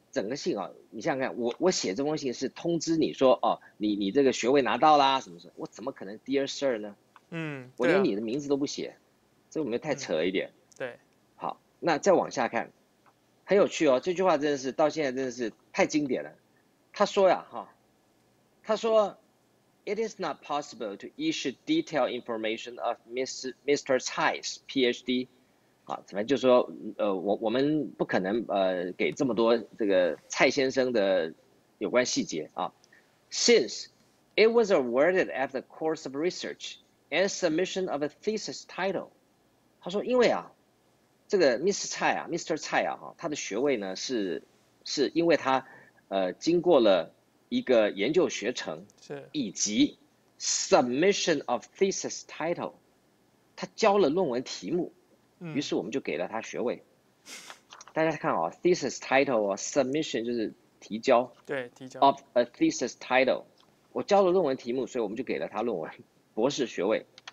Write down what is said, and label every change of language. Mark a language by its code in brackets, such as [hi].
[zh] 整个信啊，你想想看，我写这封信是通知你说哦，你这个学位拿到啦，什么什么，我怎么可能 Dear Sir 呢？我连你的名字都不写，这我们太扯了一点。对，好，那再往下看，很有趣哦，这句话真的是到现在真的是太经典了。他说呀，哈、他说 [en] ，It is not possible to issue detailed information of Mr. Tsai's PhD。 [zh] 啊，反正就是说，我们不可能给这么多这个蔡先生的有关细节啊。 [en] Since it was awarded after the course of research and submission of a thesis title， [zh] 他说，因为啊，这个 Mr. Tsai 啊，他的学位呢是因为他经过了一个研究学程，是以及 [en] submission of thesis title， [zh] 他交了论文题目。于是我们就给了他学位。大家看啊 ，thesis title 啊 ，submission 就是提交，对，提交 [en] of a thesis title， [zh] 我交了论文题目，所以我们就给了他论文博士学位。